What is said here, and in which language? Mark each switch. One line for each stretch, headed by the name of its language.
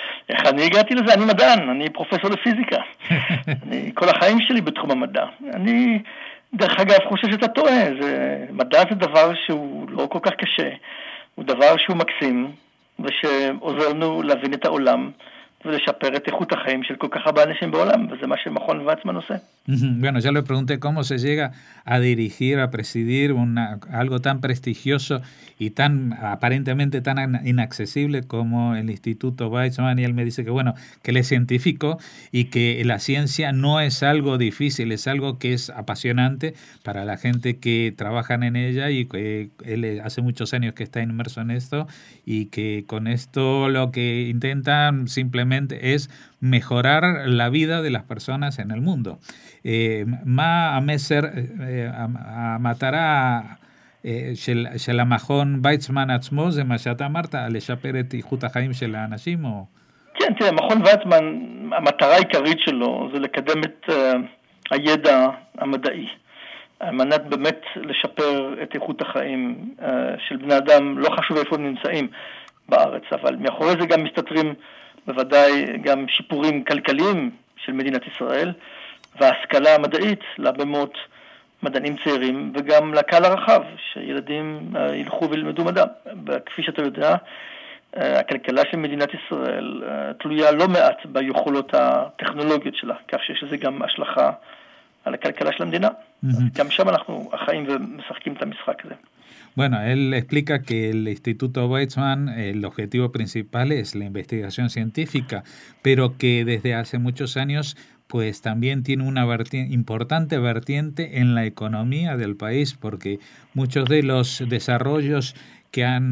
Hebrew: אני הגעתי לזה, אני מדען, אני פרופסור לפיזיקה. אני כל החיים שלי בתחום המדע. אני, דרך אגב, חושב שאתה טועה. מדע זה דבר שהוא לא כל כך קשה. הוא דבר שהוא מקסים, ושעוזר לנו להבין את העולם, ולשפר את איכות החיים של כל כך הרבה אנשים בעולם, וזה מה שמכון ועצמן עושה.
Spanish: Bueno, ya le pregunté cómo se llega a dirigir, a presidir algo tan prestigioso y tan aparentemente tan inaccesible como el Instituto Weizmann. Y él me dice que, bueno, que él es científico y que la ciencia no es algo difícil, es algo que es apasionante para la gente que trabaja en ella y que él hace muchos años que está inmerso en esto y que con esto lo que intentan simplemente es mejorar la vida de las personas en el mundo.
Hebrew: מה המסר המטרה של המכון ויצמן עצמו, זה מה שאתה אמרת, לשפר את איכות החיים של האנשים? כן, תראה, מכון ויצמן, המטרה העיקרית שלו זה לקדם את הידע המדעי, מנת באמת לשפר את איכות החיים של בני אדם, לא חשוב איפה נמצאים בארץ, אבל מאחורי זה גם מסתתרים בוודאי גם שיפורים כלכליים של מדינת ישראל, וההשכלה המדעית להרבה מאוד מדענים צעירים, וגם לקהל הרחב, שילדים ילכו וילמדו מדע. וכפי שאתה יודע, הכלכלה של מדינת ישראל תלויה לא מעט ביכולות הטכנולוגיות שלה, כך שיש לזה גם השלכה על הכלכלה של המדינה. גם שם אנחנו חיים ומשחקים את המשחק הזה.
Spanish: Bueno, él explica que el Instituto Weizmann, el objetivo principal es la investigación científica, pero que desde hace muchos años pues también tiene una importante vertiente en la economía del país, porque muchos de los desarrollos que